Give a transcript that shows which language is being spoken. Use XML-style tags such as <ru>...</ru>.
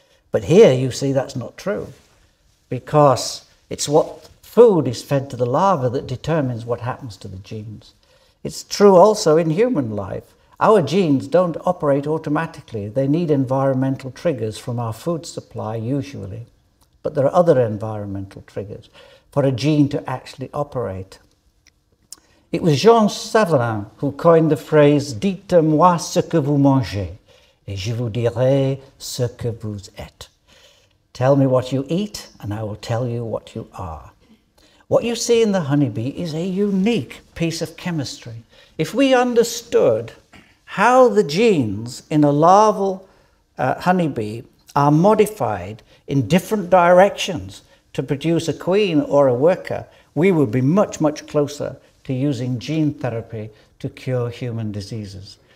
<en>But here you see that's not true, because it's what food is fed to the larva that determines what happens to the genes. It's true also in human life. Our genes don't operate automatically. They need environmental triggers from our food supply, usually. But there are other environmental triggers for a gene to actually operate. It was Jean Savarin who coined the phrase,</en> <fr>dites-moi ce que vous mangez, et je vous dirai ce que vous êtes.</fr> <en>Tell me what you eat, and I will tell you what you are. What you see in the honeybee is a unique piece of chemistry. If we understood how the genes in a larval honeybee are modified in different directions to produce a queen or a worker, we would be much, much closer to using gene therapy to cure human diseases.</en>